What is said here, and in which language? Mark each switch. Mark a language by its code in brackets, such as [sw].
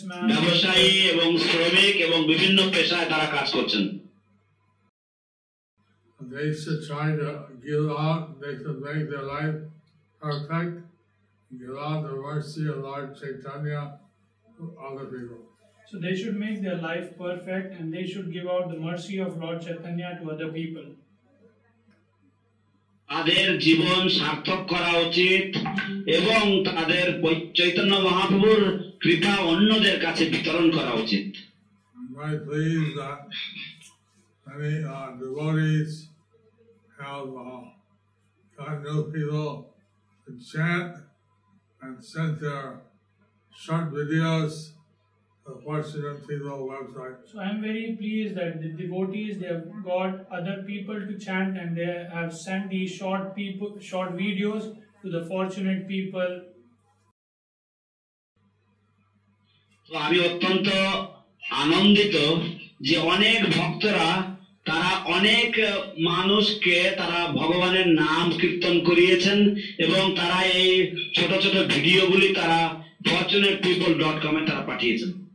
[bn] ব্যবসায়ী এবং শ্রমিক এবং বিভিন্ন পেশায় তারা কাজ করছেন। [en] They should try to give out, they should make their life perfect, give out the mercy of Lord Chaitanya to other people. So they should make their life perfect and they should give out the mercy of Lord Chaitanya to other people. [bn] তাদের জীবন সার্থক করা উচিত এবং তাদের চৈতন্য মহাপ্রভুর কৃপা অন্যদের কাছে বিতরণ করা উচিত। [en] My plea is that many devotees have got new people to chant and sent their short videos to the fortunate people website. So I am very pleased that the devotees, they have got other people to chant and they have sent these short videos to the fortunate people. So I am very happy that many [bn] তারা অনেক মানুষকে তারা ভগবানের নাম কীর্তন করিয়েছেন এবং তারা এই ছোট ছোট ভিডিও গুলি তারা fortunatepeople.com এ তারা পাঠিয়েছেন।